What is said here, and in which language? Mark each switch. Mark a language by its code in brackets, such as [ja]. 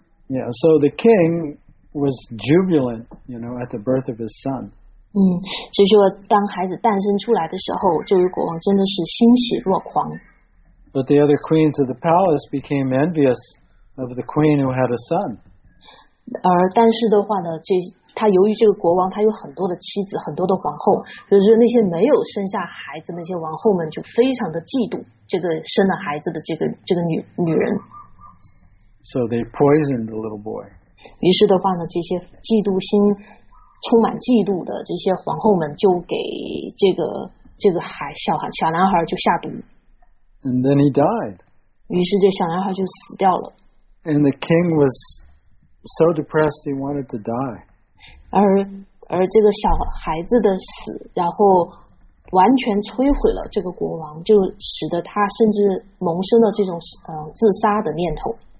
[en] Yeah, so the king was jubilant, you know, at the birth of his son. [zh] 所以说当孩子诞生出来的时候，这位国王真的是欣喜若狂。 [en] But the other queens of the palace became envious of the queen who had a son. [zh] 而但是的话呢，他由于这个国王他有很多的妻子，很多的皇后，就是那些没有生下孩子那些王后们就非常的嫉妒这个生了孩子的这个女人。 [en] So they poisoned the little boy. [zh] 于是的话呢，这些嫉妒心充满嫉妒的这些皇后们就给这个孩小孩小男孩就下毒。 [en] And then he died. [zh] 于是这小男孩就死掉了。 [en] And the king was so depressed he wanted to die. [zh] 而这个小孩子的死，然后完全摧毁了这个国王，就使得他甚至萌生了这种自杀的念头。